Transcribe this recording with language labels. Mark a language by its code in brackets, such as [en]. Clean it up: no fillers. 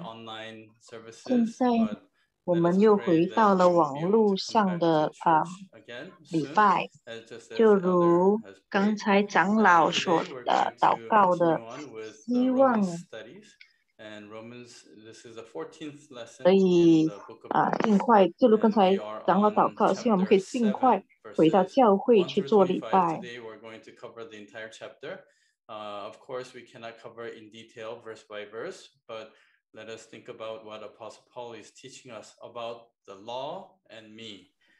[en] online services, but let us pray that you will come back to the church again soon. As just as the elder has prayed, so today we're going to continue on with the Romans studies. And Romans, this is the 14th lesson in the book of Romans. [zh] 尽快，就如刚才长老祷告，希望我们可以尽快回到教会去做礼拜。 [en] Today we're going to cover the entire chapter. Of course, we cannot cover in detail verse by verse, but let us think about what Apostle Paul is teaching us about the law and me.